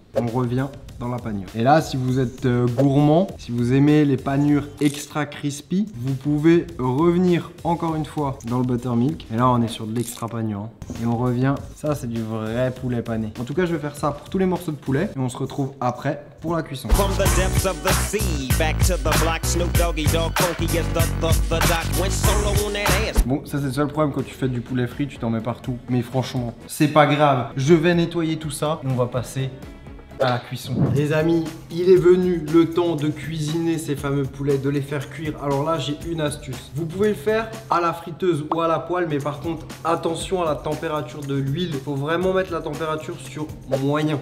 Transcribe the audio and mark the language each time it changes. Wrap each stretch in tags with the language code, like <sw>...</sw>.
<fr>on revient dans la panure. Et là, si vous êtes gourmand, si vous aimez les panures extra crispy, vous pouvez revenir encore une fois dans le buttermilk. Et là, on est sur de l'extra panure. Hein. Et on revient. Ça, c'est du vrai poulet pané. En tout cas, je vais faire ça pour tous les morceaux de poulet. Et on se retrouve après pour la cuisson.</fr> <en>From the depths of the sea, back to the black Snoop Doggy Dog, Funky is the doc, went solo on that ass.</en> <fr>Bon, ça, c'est le seul problème quand tu fais du poulet frit, tu t'en mets partout. Mais franchement, c'est pas grave. Je vais nettoyer tout ça. On va passer à la cuisson. Les amis, il est venu le temps de cuisiner ces fameux poulets, de les faire cuire. Alors là, j'ai une astuce. Vous pouvez le faire à la friteuse ou à la poêle, mais par contre, attention à la température de l'huile. Il faut vraiment mettre la température sur moyen.</fr>